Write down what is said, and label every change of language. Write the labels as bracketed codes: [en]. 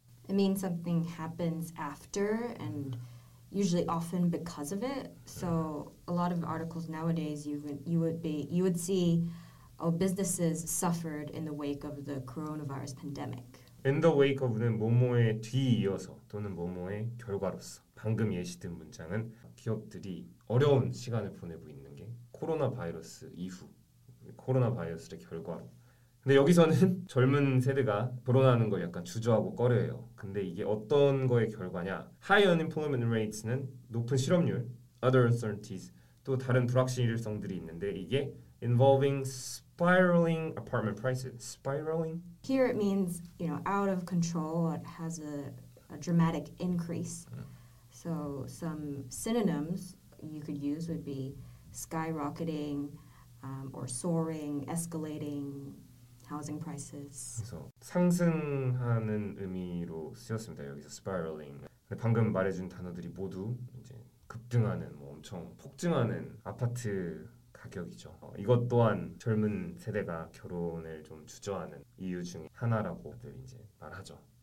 [en] It means something happens after and usually often because of it. So a lot of articles nowadays you would see, oh, businesses suffered in the wake of the coronavirus pandemic. [ko] In the wake of는 뭐뭐의 뒤이어서 또는 뭐뭐의 결과로서. 방금 예시 든 문장은 기업들이 어려운 시간을 보내고 있는 게 코로나 바이러스 이후, 코로나 바이러스의 결과로. 근데 여기서는 젊은 세대가 결혼하는 걸 약간 주저하고 꺼려해요. 근데 이게 어떤 거의 결과냐. [en] High unemployment rates [ko] 는 높은 실업률, [en] other uncertainties, [ko] 또 다른 불확실성들이 있는데 이게 [en] involving spiraling apartment prices. Spiraling? Here it means, you know, out of control. It has a dramatic increase. So some synonyms you could use would be skyrocketing or soaring, escalating housing prices. [ko] 그래서 상승하는 의미로 쓰였습니다. 여기서 spiraling. 근데 방금 말해준 단어들이 모두 이제 급등하는, 뭐 엄청 폭증하는 아파트 가격이죠. 이것 또한 젊은 세대가 결혼을 좀 주저하는 이유 중에 하나라고 이제 말하죠.